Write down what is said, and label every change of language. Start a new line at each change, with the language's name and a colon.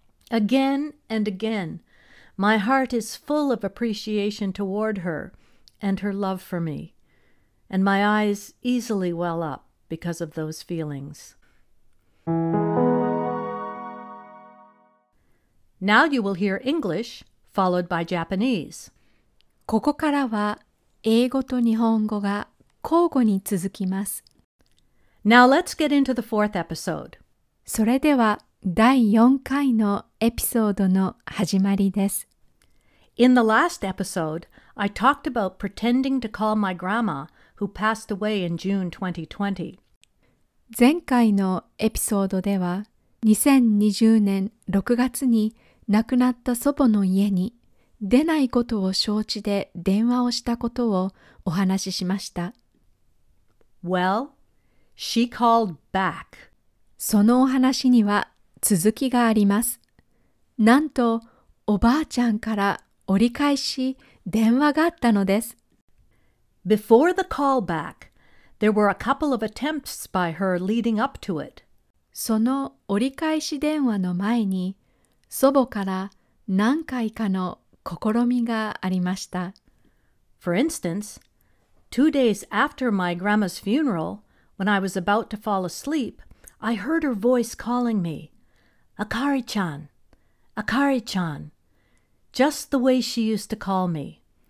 English: Again and again, my heart is full of appreciation toward her and her love for me, and my eyes easily well up because of those feelings. Now you will hear English followed by Japanese.
Japanese: ここからは英語と日本語が交互に続きます。
English: Now let's get into the fourth episode.
Japanese: それでは第4回のエピソードの始まりです。
English: In the last episode, I talked about pretending to call my grandma who passed away in June 2020.
Japanese: 前回のエピソードでは2020年6月に亡くなった祖母の家に出ないことを承知で電話をしたことをお話ししました。
English: Well, she called back.
Japanese: そのお話には続きがあります。なんとおばあちゃんから折り返し電話があったのです。
English: Before the call back, there were a couple of attempts by her leading up to it.
Japanese: その折り返し電話の前に祖母から何回かの試みがありました。
English: For instance, 2 days after my grandma's funeral, when I was about to fall asleep, I heard her voice calling me, "Akari-chan, Akari-chan," just the way she used to call me.